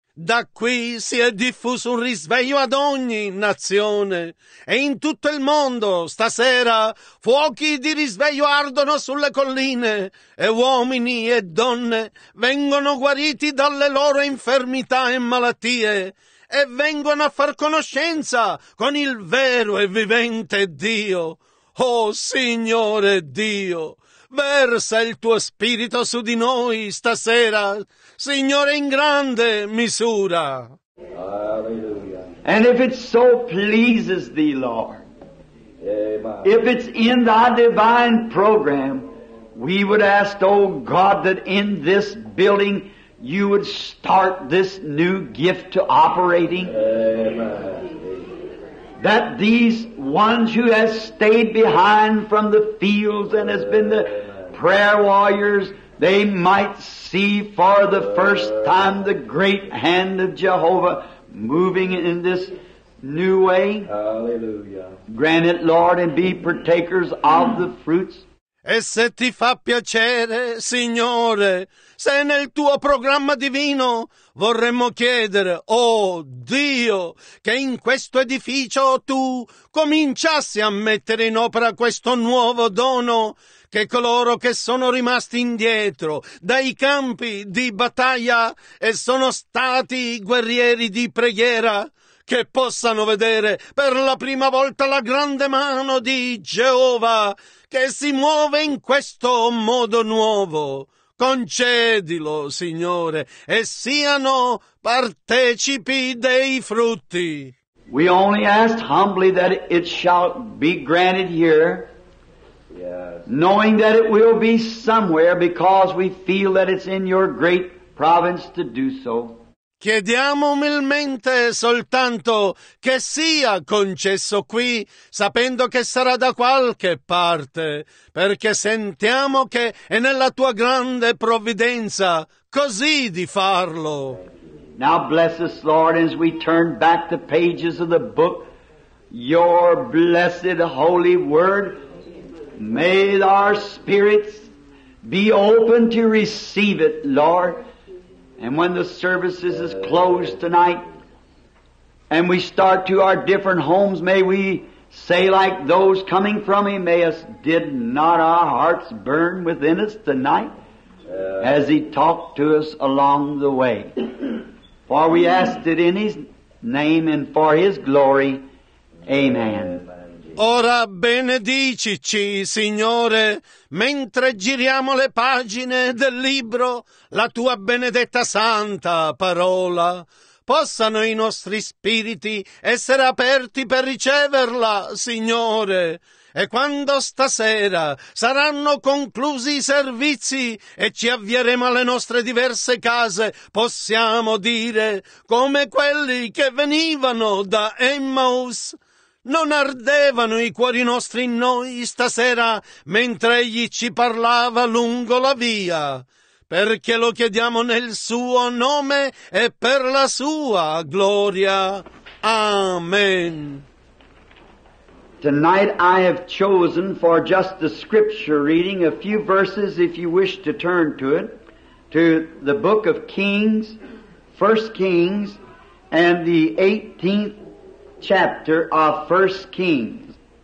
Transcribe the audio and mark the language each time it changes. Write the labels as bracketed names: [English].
[Italian] Da qui si è diffuso un risveglio ad ogni nazione e in tutto il mondo stasera fuochi di risveglio ardono sulle colline e uomini e donne vengono guariti dalle loro infermità e malattie e vengono a far conoscenza con il vero e vivente Dio. Oh Signore Dio, versa il tuo spirito su di noi stasera, Signore, in grande misura. [English] And if it so pleases thee, Lord, if it's in thy divine program, we would ask, O God, that in this building you would start this new gift to operating. Amen. That these ones who have stayed behind from the fields and has been the prayer warriors, they might see for the first time the great hand of Jehovah moving in this new way. Hallelujah. Grant it, Lord, and be partakers of the fruits. [Italian] E se ti fa piacere, Signore, se nel tuo programma divino vorremmo chiedere, oh Dio, che in questo edificio tu cominciassi a mettere in opera questo nuovo dono, che coloro che sono rimasti indietro dai campi di battaglia e sono stati guerrieri di preghiera, che possano vedere per la prima volta la grande mano di Geova che si muove in questo modo nuovo. Concedilo, Signore, e siano partecipi dei frutti. [English] We only ask humbly that it shall be granted here, knowing that it will be somewhere, because we feel that it's in your great province to do so. [Italian] Chiediamo umilmente soltanto che sia concesso qui, sapendo che sarà da qualche parte, perché sentiamo che è nella tua grande provvidenza così di farlo. [English] Now bless us, Lord, as we turn back the pages of the book, your blessed holy word. May our spirits be open to receive it, Lord. And when the service is closed tonight and we start to our different homes, may we say like those coming from Emmaus, did not our hearts burn within us tonight as he talked to us along the way? For we asked it in his name and for his glory. Amen. [Italian] Ora benedicici, Signore, mentre giriamo le pagine del libro, la tua benedetta santa parola. Possano i nostri spiriti essere aperti per riceverla, Signore. E quando stasera saranno conclusi i servizi e ci avvieremo alle nostre diverse case, possiamo dire, come quelli che venivano da Emmaus, non ardevano i cuori nostri in noi stasera mentre egli ci parlava lungo la via, perché lo chiediamo nel suo nome e per la sua gloria. Amen. [English] Tonight I have chosen for just the scripture reading a few verses, if you wish to turn to it, to the book of Kings, 1 Kings, and the 18th chapter of 1 Kings.